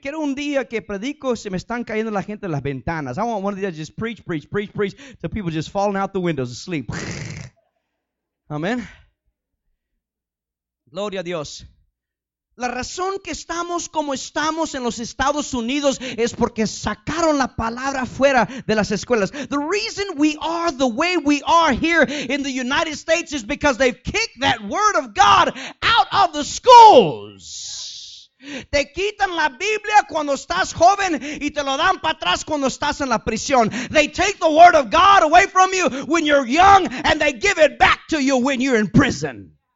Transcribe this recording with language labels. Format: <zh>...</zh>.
<es>Quiero un día que predico se me están cayendo la gente las ventanas.</es> <en>I want one day to just preach to people just falling out the windows asleep.</en> <es>Amen. Gloria a Dios. La razón que estamos como estamos en los Estados Unidos es porque sacaron la palabra fuera de las escuelas.</es> <en>The reason we are the way we are here in the United States is because they've kicked that word of God out of the schools.</en> <es>Te quitan la Biblia cuando estás joven y te lo dan para atrás cuando estás en la prisión.</es> <en>They take the word of God away from you when you're young and they give it back to you when you're in prison.</en>